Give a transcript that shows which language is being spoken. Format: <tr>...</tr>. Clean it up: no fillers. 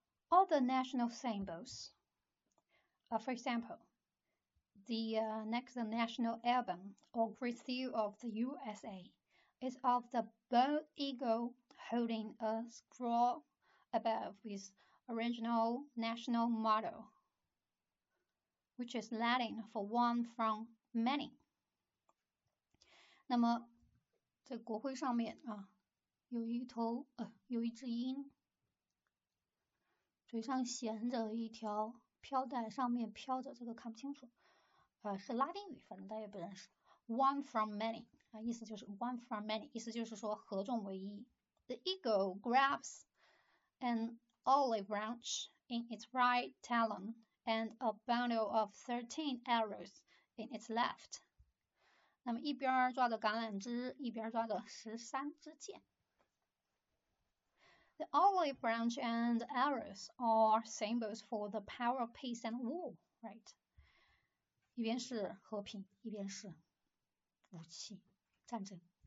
<en>All the national symbols, for example, the next national album or great seal of the USA is of the bald eagle holding a scroll above with original national motto, which is Latin for one from many.</en> <zh>那么在国徽上面啊，有一头有一只鹰，嘴上衔着一条飘带，上面飘着这个看不清楚，是拉丁语，反正大家也不认识。</zh> <en>One from many</en> <zh>啊，意思就是</zh> <en>one from many，</en> <zh>意思就是说何种为一。</zh> <en>The eagle grabs an olive branch in its right talon and a bundle of 13 arrows in its left。</en> <zh>那么一边抓着橄榄枝，一边抓着13支箭。</zh> <en>The olive branch and arrows are symbols for the power of peace and war, right?</en> <zh>一边是和平，一边是武器，战争。</zh>